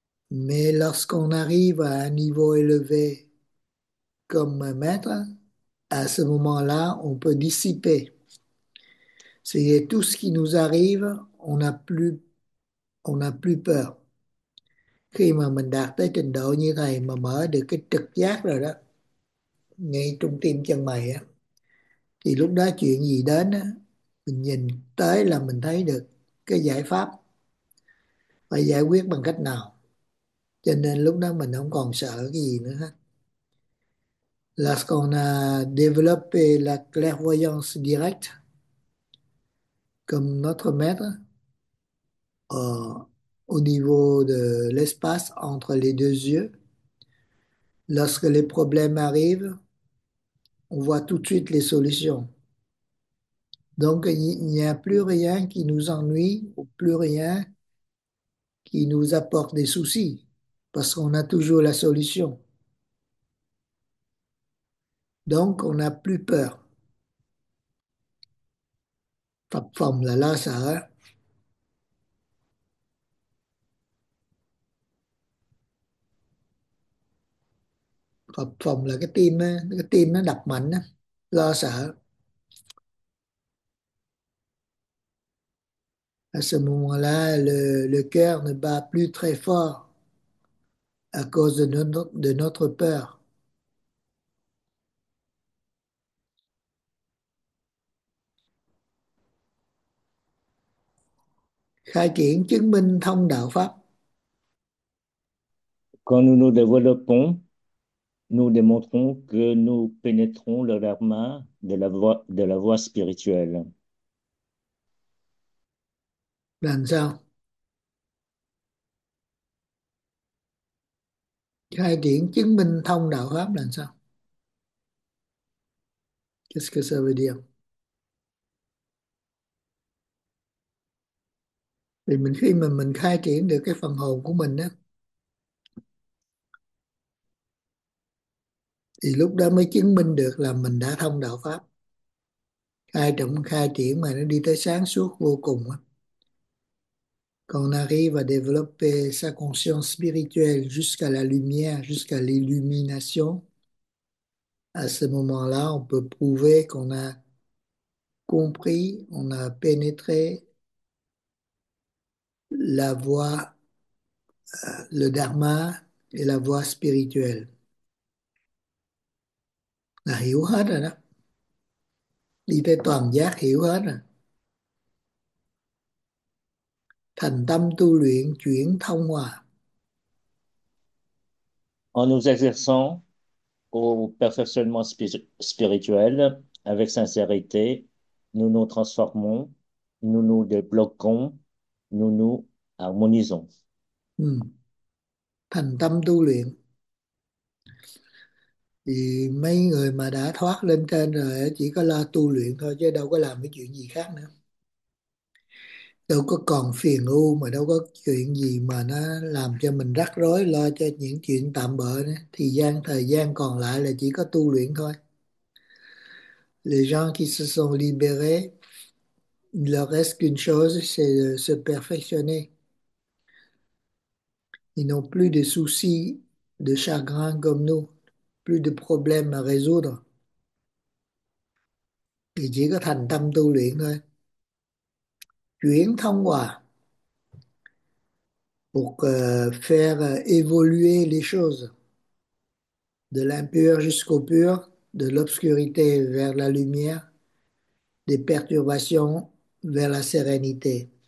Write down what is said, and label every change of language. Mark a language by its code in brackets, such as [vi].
[fr] Mais lorsqu'on arrive à un niveau élevé, comme un maître, à ce moment-là, on peut dissiper. C'est tout ce qui nous arrive, on n'a plus peur. [vi] Khi mà mình đạt tới trình độ như thầy mà mở được cái trực giác rồi đó, ngay trung tim chân mày á, thì lúc đó chuyện gì đến á, mình nhìn tới là mình thấy được cái giải pháp phải giải quyết bằng cách nào. Cho nên lúc đó mình không còn sợ cái gì nữa hết. [fr] Lorsqu'on a développé la clairvoyance directe, comme notre maître, au niveau de l'espace entre les deux yeux, lorsque les problèmes arrivent, on voit tout de suite les solutions. Donc, il n'y a plus rien qui nous ennuie ou plus rien qui nous apporte des soucis, parce qu'on a toujours la solution. Donc, on n'a plus peur. [vi] Phật phòng là lo sợ. Phật phòng là cái tim nó đập mạnh á, lo sợ. [fr] À ce moment-là, le cœur ne bat plus très fort à cause de notre peur. [vi] Khai triển chứng minh thông đạo Pháp. [fr] Quand nous nous développons, nous démontrons que nous pénétrons le dharma de la voie spirituelle. [vi] Làm sao? Khai triển chứng minh thông đạo Pháp làm sao? [fr] Qu'est-ce que ça veut dire? [vi] Thì mình khi mà mình khai triển được cái phần hồn của mình á, thì lúc đó mới chứng minh được là mình đã thông đạo Pháp. Khai triển mà nó đi tới sáng suốt vô cùng á. [fr] Quand on arrive à développer sa conscience spirituelle jusqu'à la lumière, jusqu'à l'illumination, à ce moment-là, on peut prouver qu'on a compris, on a pénétré la voie, le dharma et la voie spirituelle. [vi] Là hiểu hết rồi đó. Đi tới toàn giác hiểu hết rồi. Thành tâm tu luyện chuyển thông hòa. [fr] En nous exerçant au perfectionnement spirituel avec sincérité, nous nous transformons, nous nous débloquons, nous nous harmonisons. [vi] Thành tâm tu luyện thì mấy người mà đã thoát lên trên rồi chỉ có lo tu luyện thôi chứ đâu có làm cái chuyện gì khác nữa. đâu có còn phiền ưu, mà đâu có chuyện gì mà nó làm cho mình rắc rối lo cho những chuyện tạm bợ nữa. Thời gian còn lại là chỉ có tu luyện thôi. [fr] Gens qui se sont libérés, leur reste qu'une chose, c'est de se perfectionner. Ils n'ont plus de soucis, de chagrin comme nous, plus de problèmes à résoudre. [vi] Thì chỉ có thành tâm tu luyện thôi. Chuyển thông qua [fr] pour faire évoluer les choses de l'impur jusqu'au pur, de l'obscurité vers la lumière, des perturbations vers la sérénité.